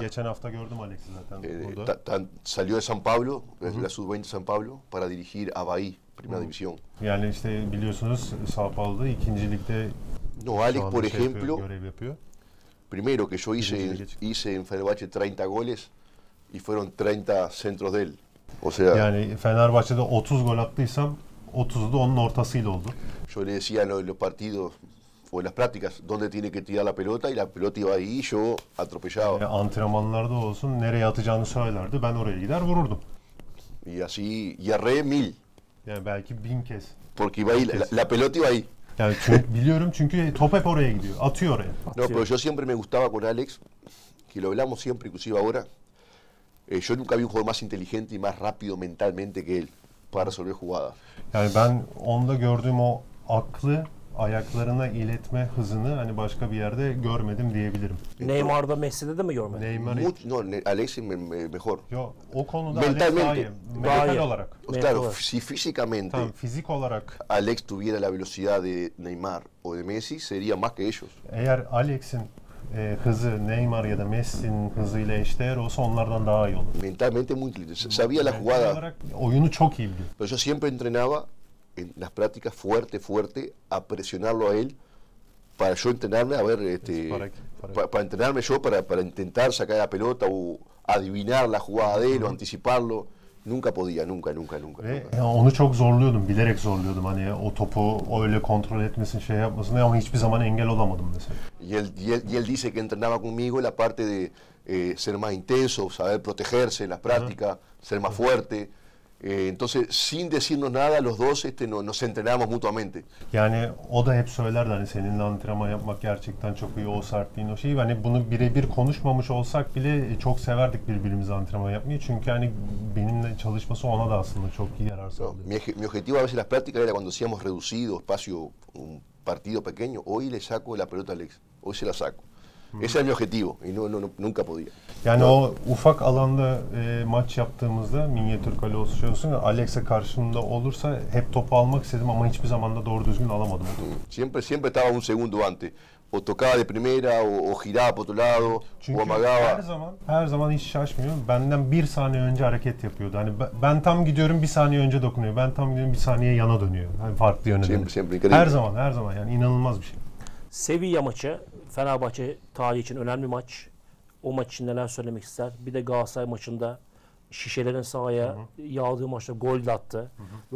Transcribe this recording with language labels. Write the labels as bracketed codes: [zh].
[tr] Geçen hafta gördüm Alex'i zaten burada. [es] Salió de San Pablo, la Sub-20 San Pablo para dirigir a Bahía, Primera División. [tr] Yani işte biliyorsunuz Sao Paulo'da ikinci ligde. [es] No, Alex por ejemplo. [tr] Görev yapıyor. [es] Primero que yo hice en Fenerbahçe 30 goles. Y fueron 30 centros de él. O sea, [tr] yani Fenerbahçe'de 30 gol attıysam 30'u da onun ortasıyla oldu. [es] Yo le decía en los partidos o en las prácticas dónde tiene que tirar la pelota y la pelota iba ahí y yo atropellaba. [tr] Yani antrenmanlarda olsun nereye atacağını söylerdi. Ben oraya gider vururdum. [es] Y así yerré mil. [tr] Yani belki bin kez. [es] Porque iba ahí, la pelota iba ahí. [tr] Yani çünkü, biliyorum çünkü top hep oraya gidiyor. Atıyor oraya. [es] No, pero yo siempre me gustaba con Alex, que lo hablamos siempre, inclusive ahora. Yo nunca vi un jugador más inteligente y más rápido mentalmente que él para resolver jugadas. [tr] Yani ben onda gördüğüm o aklı ayaklarına iletme hızını hani başka bir yerde görmedim diyebilirim. Neymar'da, Messi'de de mi görmedin? [es] Alex mejor. [tr] Yo, o konuda [es] mentalmente, [tr] Alex daha iyi olarak. [es] Claro, si físicamente. [tr] Tamam, fizik olarak. [es] Alex tuviera la velocidad de Neymar o de Messi, sería más que ellos. [tr] Eğer Alex'in hızı Neymar ya da Messi'nin hızıyla eşdeğer olsa onlardan daha iyi olur. [es] Mentalmente muy inteligente. Sabía la jugada. [tr] Oyunu çok iyi biliyor. [es] Yo siempre entrenaba en las prácticas fuerte, fuerte, a presionarlo a él para yo entrenarme, a ver, para entrenarme yo, para intentar sacar la pelota o adivinar la jugada de él, uh-huh, o anticiparlo. Nunca podía, nunca. [tr] Onu çok zorluyordum, bilerek zorluyordum hani o topu öyle kontrol etmesin, şey yapmasın, ama hiçbir zaman engel olamadım mesela. [es] Y él dice que entrenaba conmigo la parte de ser más intenso, saber protegerse en las prácticas, uh-huh, ser más, uh-huh, fuerte. Entonces, sin decirnos nada, los dos nos entrenamos mutuamente. [tr] Yani o da hep söylerdi hani seninle antrenman yapmak gerçekten çok iyi, o sertliğin, o şeyi. Hani bunu birebir konuşmamış olsak bile çok severdik birbirimize antrenman yapmayı. Çünkü hani benimle çalışması ona da aslında çok iyi yarar sağlıyor. [es] Mi objetivo a veces las prácticas era cuando hacíamos reducido, espacio, un partido pequeño. Hoy le saco la pelota a Alex. Hoy se la saco. Ese era mi objetivo y no nunca podía. [tr] Yani o ufak alanda maç yaptığımızda, minyatür kale oluşuyorsun, Alex'e karşımda olursa hep topu almak istedim ama hiçbir zaman da doğru düzgün alamadım. [es] Siempre estaba un segundo antes. O tocaba de primera, o giraba por otro lado, [tr] çünkü [es] o amagaba. [tr] Her zaman hiç şaşmıyor. Benden bir saniye önce hareket yapıyordu. Hani ben tam gidiyorum, bir saniye önce dokunuyor. Ben tam gidiyorum, bir saniye yana dönüyor. Hani farklı yöne. Her zaman yani inanılmaz bir şey. Sevilla maçı, Fenerbahçe tarihi için önemli maç. O maç için neler söylemek ister? Bir de Galatasaray maçında şişelerin sahaya, hı-hı, yağdığı maçta gol de attı. Hı-hı.